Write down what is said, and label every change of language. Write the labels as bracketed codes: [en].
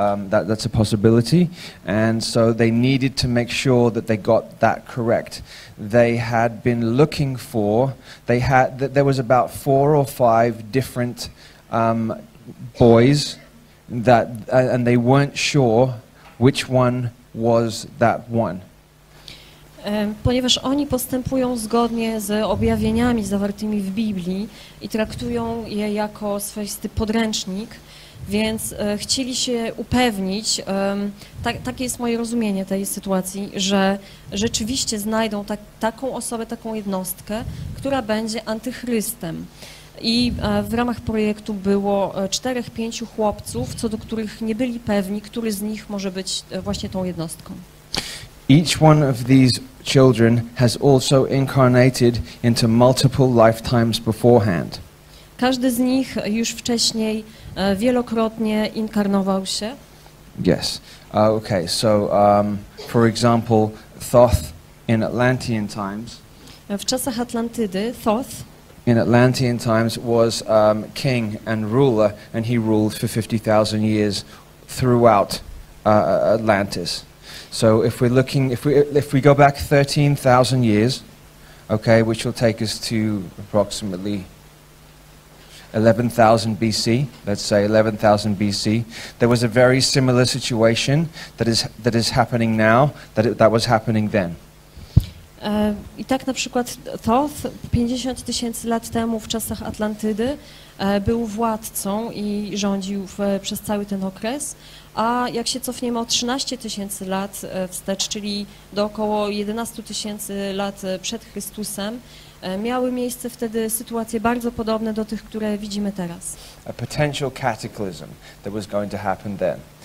[en] That's a possibility, and so they needed to make sure that they got that correct. They had been looking for, there was about four or five different boys, that, and they weren't sure which one was that one. [pl] Ponieważ oni postępują zgodnie z objawieniami zawartymi w Biblii i traktują je jako swoisty podręcznik, więc chcieli się upewnić, takie jest moje rozumienie tej sytuacji, że rzeczywiście znajdą taką osobę, taką jednostkę, która będzie antychrystem. I w ramach projektu było 4-5 chłopców, co do których nie byli pewni, który z nich może być właśnie tą jednostką. [en] Each one of these children has also incarnated into multiple lifetimes beforehand. [pl] Każdy z nich już wcześniej wielokrotnie inkarnował się. [en] Yes. Okay. So, for example, Thoth in Atlantean times. [pl] W czasach Atlantydy Thoth. [en] In Atlantean times was king and ruler, and he ruled for 50,000 years throughout Atlantis. So, if we go back 13,000 years, okay, which will take us to approximately. 11,000 BC, let's say 11,000 BC, there was a very similar situation that is happening now, that was happening then. [pl] I tak na przykład to 50 tysięcy lat temu w czasach Atlantydy był władcą i rządził przez cały ten okres, a jak się cofniemy o 13 tysięcy lat wstecz, czyli do około 11 tysięcy lat przed Chrystusem, miały miejsce wtedy sytuacje bardzo podobne do tych, które widzimy teraz. [en] A potential cataclysm that was going to happen then.